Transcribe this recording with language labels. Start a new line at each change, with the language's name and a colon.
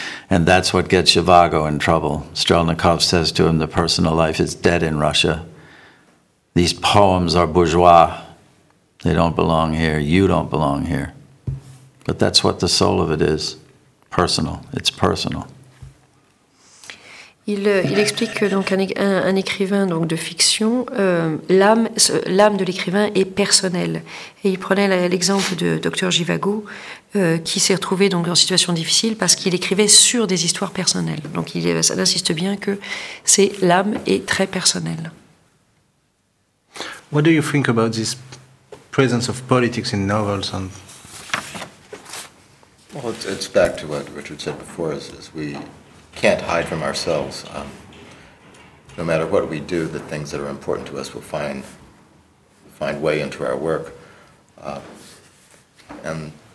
English: And that's what gets Zhivago in trouble. Strelnikov says to him, "The personal life is dead in Russia. These poems are bourgeois. They don't belong here. You don't belong here." But that's what the soul of it is. Personal. It's personal.
French: Il explique que donc un écrivain donc de fiction, l'âme de l'écrivain est personnelle. Et il prenait l'exemple de Dr. Zhivago, qui s'est retrouvé donc en situation difficile parce qu'il écrivait sur des histoires personnelles. Donc ça insiste bien que c'est l'âme est très personnelle.
English: What do you think about this presence of politics in novels and? Well, it's back to what Richard said before, as we can't hide from ourselves. No matter what we do, the things that are important to us will find way into our work. And